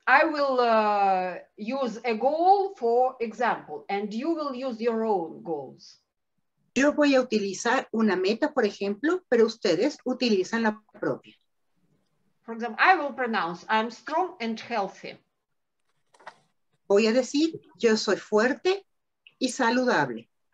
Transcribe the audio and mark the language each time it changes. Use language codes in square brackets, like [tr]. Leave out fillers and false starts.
[en] I will use a goal for example and you will use your own goals. [es] Yo voy a utilizar una meta, por ejemplo, pero ustedes utilizan la propia. [en] For example, I will pronounce I'm strong and healthy. [es] Voy a decir, yo soy fuerte y saludable.